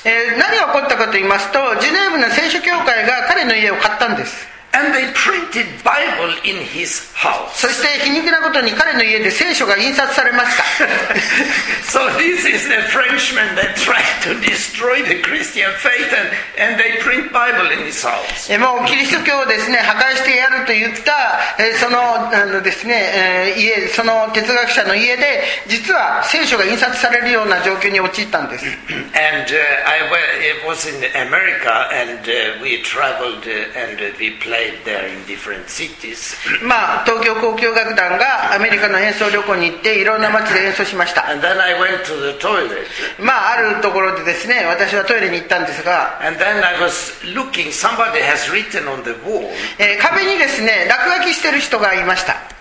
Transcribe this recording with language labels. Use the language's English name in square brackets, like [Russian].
[Japanese] 何が起こったかと言いますと、ジュネーブの聖書教会が彼の家を買ったんです。 [English] And they printed Bible in his house. [Japanese] そして皮肉なことに彼の家で聖書が印刷されました。 [English] So this is the Frenchman that tried to destroy the Christian faith and they print Bible in his house. [Japanese] もうキリスト教をですね、破壊してやると言った、その、ですね、家、その哲学者の家で実は聖書が印刷されるような状況に陥ったんです。 [English] And it was in America and we traveled and we played there in different cities. [Japanese] まあ、東京交響楽団がアメリカの演奏旅行に行っていろんな街で演奏しました。 [English] And then I went to the toilet. [Japanese] まあ、あるところでですね、私はトイレに行ったんですが、 [English] And then I was looking. Somebody has written on the wall. [Japanese] 壁にですね、落書きしてる人がいました。